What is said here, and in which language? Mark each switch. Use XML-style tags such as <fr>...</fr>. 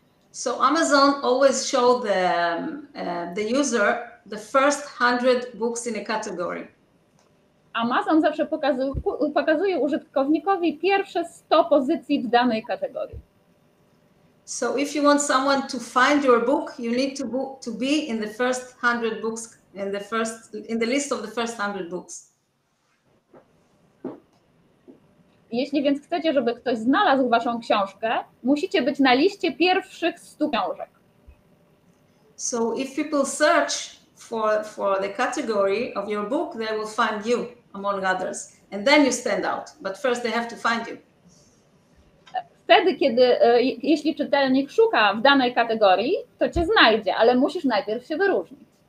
<en>So Amazon always show the user the first 100 books in a category.</en> <pl>Amazon zawsze pokazuje użytkownikowi pierwsze 100 pozycji w danej kategorii.</pl> <en>So if you want someone to find your book, you need to be in the first 100 books, in the list of the first 100 books.</en> <pl>Jeśli więc chcecie, żeby ktoś znalazł waszą książkę, musicie być na liście pierwszych 100 książek.</pl> <en>So if people search for the category of your book, they will find you among others, and then you stand out. But first they have to find you.</en> <pl>Wtedy, kiedy jeśli czytelnik szuka w danej kategorii, to cię znajdzie, ale musisz najpierw się wyróżnić.</pl>